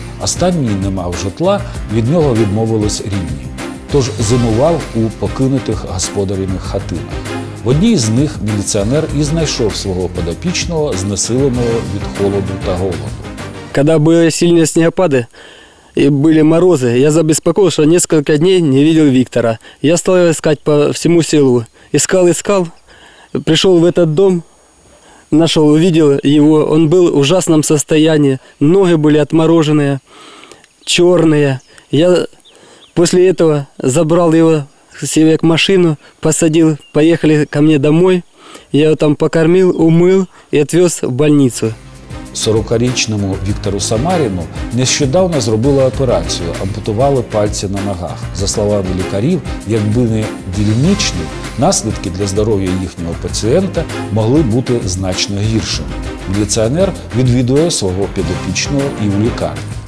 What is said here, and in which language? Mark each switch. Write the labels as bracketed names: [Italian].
[Ukrainian] Останній не мав житла, від нього відмовились рідні. Тож зимував у покинутих господарських хатинах. В одній з них міліціонер і знайшов свого подопічного, знесиленого від холоду та голоду. Коли були сильні снігопади, [Russian] и были морозы. Я забеспокоился, что несколько дней не видел Виктора. Я стал искать по всему селу. Искал, пришел в этот дом, нашел, увидел его. Он был в ужасном состоянии. Ноги были отмороженные, черные. Я после этого забрал его себе к машину, посадил, поехали ко мне домой. Я его там покормил, умыл и отвез в больницу. [Ukrainian] 40-річному Віктору Самаріну нещодавно зробили операцію, ампутували пальці на ногах. За словами лікарів, якби не дільничні, наслідки для здоров'я їхнього пацієнта могли бути значно гіршими. Міліціонер відвідує свого підопічного і в лікарні.